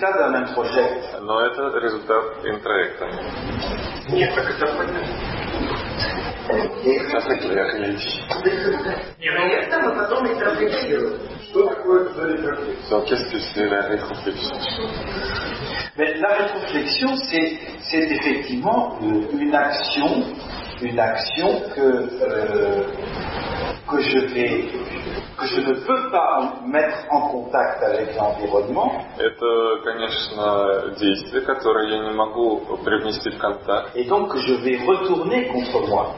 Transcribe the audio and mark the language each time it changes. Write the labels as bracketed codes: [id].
[ru] Но это результат интроекта. Нет, так это понятно. Нет, это я хочу. Нет, но я там потом интроекцирую. Что такое интроекция? [fr] Mais la rétroflexion, c'est effectivement une action que je ne peux pas mettre en contact avec l'environnement. [ru] Это, конечно, действие, которое я не могу привнести в контакт. [fr] Et donc que je vais retourner contre moi.